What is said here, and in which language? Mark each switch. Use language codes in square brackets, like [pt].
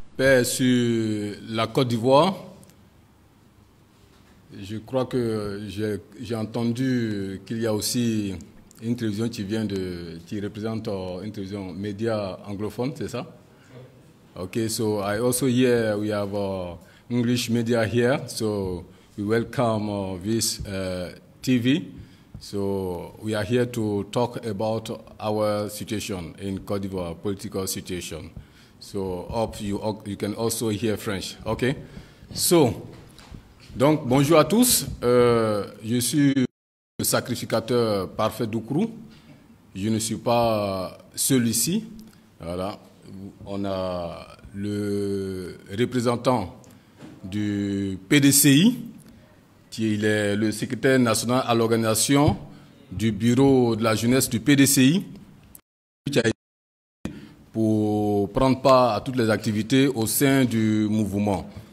[fr] paix sur la Côte d'Ivoire. Je crois que j'ai entendu qu'il y a aussi une télévision qui vient de, qui représente une télévision média anglophone, c'est ça? [en] Ok, so I also hear we have English media here, so we welcome this TV. So we are here to talk about our situation in Côte d'Ivoire, political situation. So hope you can also hear French. Ok, so. [fr] Donc, bonjour à tous. Je suis le sacrificateur parfait d'Oukourou. Je ne suis pas celui-ci. Voilà. On a le représentant du PDCI, qui il est le secrétaire national à l'organisation du bureau de la jeunesse du PDCI, qui a été pour prendre part à toutes les activités au sein du mouvement.